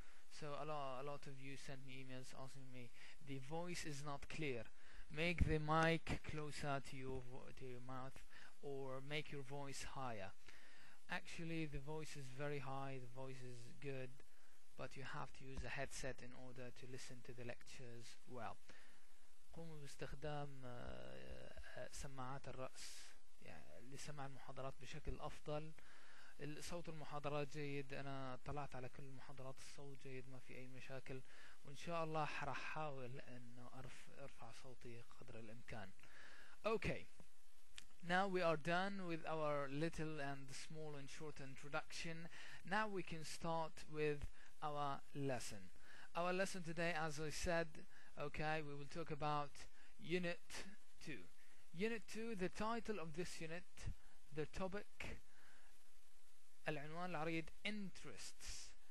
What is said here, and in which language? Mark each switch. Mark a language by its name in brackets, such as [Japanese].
[English] So a lot of you sent me emails asking me the voice is not clear, make the mic closer to your mouth or make your voice higher. Actually the voice is very high, the voice is good, but you have to use a headset in order to listen to the lectures well. [Arabic] قوموا باستخدام سماعات الرأس لسماع المحاضرات بشكل أفضل. صوت المحاضرات جيد، أنا طلعت على كل المحاضرات الصوت جيد، ما في أي مشاكل، وإن شاء الله رح أحاول إنه أرفع صوتي قدر الإمكان. [English] Okay, now we are done with our little and small and short introduction. Now we can start with our lesson. Our lesson today, as I said, okay, we will talk about Unit 2. Unit 2, the title of this unit, the topic. [Arabic] العنوان العريض interests.